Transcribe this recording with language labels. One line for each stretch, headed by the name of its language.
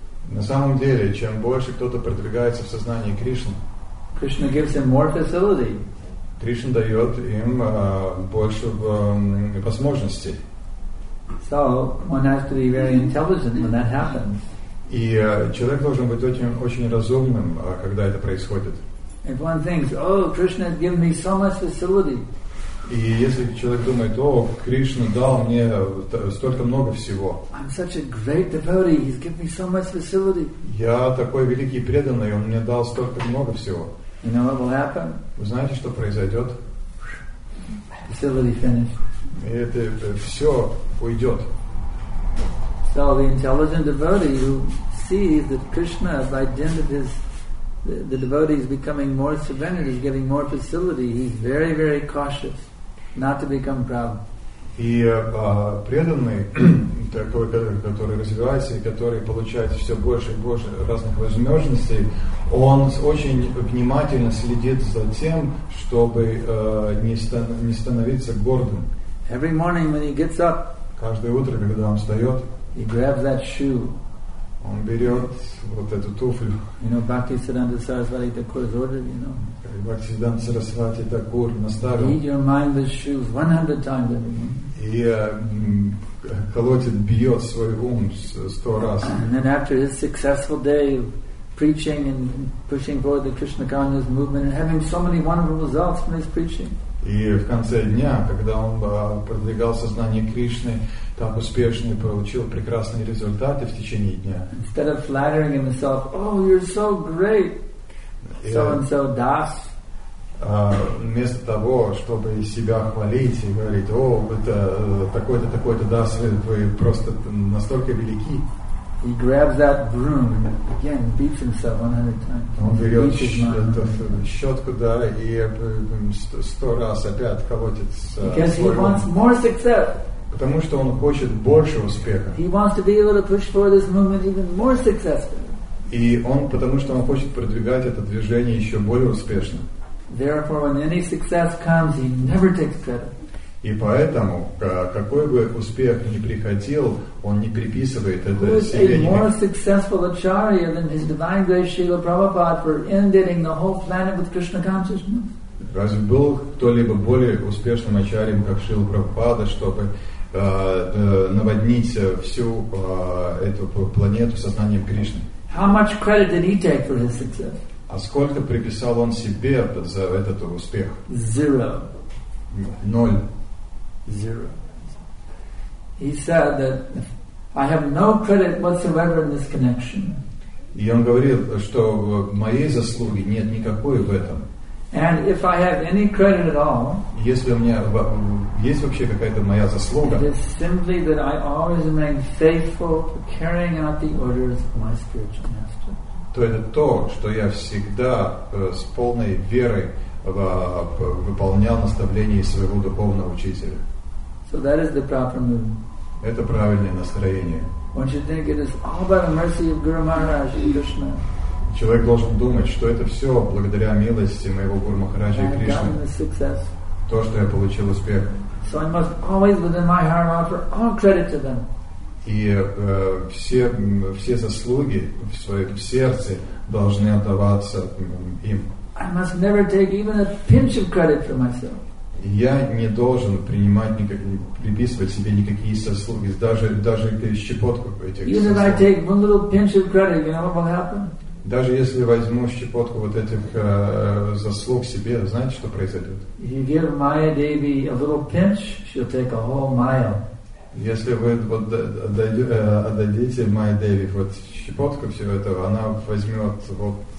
Russian: на самом деле, чем больше кто-то продвигается в сознании Кришны,
English: Krishna gives him more facility.
Russian: Кришна дает им больше возможностей.
English: So one has to be very intelligent when that happens.
Russian: И человек должен быть очень разумным, когда это происходит.
English: If one thinks, oh, Krishna has given me so much facility.
Russian: И если человек думает, о, Кришна дал мне столько много всего.
English: I'm such a great devotee. He's given me so much facility.
Russian: Я такой великий преданный, он мне дал столько много всего.
English: You know what will happen?
Russian: Вы знаете, что произойдет?
English: Facility finished.
Russian: И это все уйдет.
English: So the intelligent devotee who sees that Krishna by dint of his the devotee is becoming more surrendered, he's getting more facility, he's very, very cautious not to become proud.
Russian: И преданный, такой, который развивается и который получает все больше и больше разных возможностей, он очень внимательно следит за тем, чтобы не становиться гордым.
English: Every morning when he gets up,
Russian: каждое утро, когда он встает,
English: he grabs that shoe.
Russian: Он берет вот эту туфлю.
English: You know, Bhakti Siddhanta Sarasvati Thakur ordered, you know.
Russian: Bhakti Siddhanta Sarasvati Thakur наставил.
English: Beat your mind with shoes 100 times every morning.
Russian: И колотит, бьет свой ум 100 раз.
English: And then after his successful day of preaching and pushing forward the Krishna consciousness movement and having so many wonderful results from his preaching.
Russian: И в конце дня, когда он продвигал сознание Кришны, так успешно и получил прекрасные результаты в течение дня.
English: Instead of flattering himself, oh, you're so great, so-and-so das.
Russian: Вместо того, чтобы себя хвалить и говорить, о, это такой-то, такой-то das, вы просто настолько велики.
English: He grabs that broom and again beats himself 100 times.
Russian: Он берет щетку, да, и 100 раз опять колотит свой.
English: Because he wants more success.
Russian: Потому что он хочет больше успеха.
English: He wants to be able to push forward this movement even more successfully.
Russian: И он, потому что он хочет продвигать это движение еще более успешно.
English: Therefore, when any success comes, he never takes credit.
Russian: И поэтому, какой бы успех ни приходил, он не приписывает это себе.
English: Who is a more successful acharya than his divine grace Srila Prabhupada for inundating the whole planet with Krishna consciousness?
Russian: Разве был кто-либо более успешным ачарьем, как Шрила Прабхупада, чтобы наводнить всю эту планету сознанием Кришны?
English: How much credit did he take for his success?
Russian: А сколько приписал он себе за этот успех?
English: Zero.
Russian: Ноль.
English: Zero. He said that I have no credit whatsoever in this connection.
Russian: И он говорил, что моей заслуги нет никакой в этом.
English: And if I have any credit at all,
Russian: если у меня есть вообще какая-то моя заслуга,
English: it is simply that I always remain faithful to carrying out the orders of my spiritual master.
Russian: То это то, что я всегда с полной верой выполнял наставления своего духовного учителя.
English: So that is the proper mood.
Russian: Это правильное настроение.
English: Don't you think it is all by the mercy of Guru Maharaj and Krishna?
Russian: Человек должен думать, что это все благодаря милости моего Гуру Махараджа и Кришны. То, что я получил успех.
English: So I must always within my heart offer all credit to them.
Russian: И все заслуги в своем сердце должны отдаваться им.
English: I must never take even a pinch of credit for myself.
Russian: Я не должен принимать приписывать себе никакие заслуги, даже щепотку этих.
English: Even if I take one little pinch of credit, you know what will happen?
Russian: Даже если возьму щепотку вот этих заслуг себе, знаете, что произойдет?
English: If you give Maya Devi a little pinch, she'll take a whole mile.
Russian: Если вы вот отдадите Майя Деви вот щепотку всего этого, она возьмет вот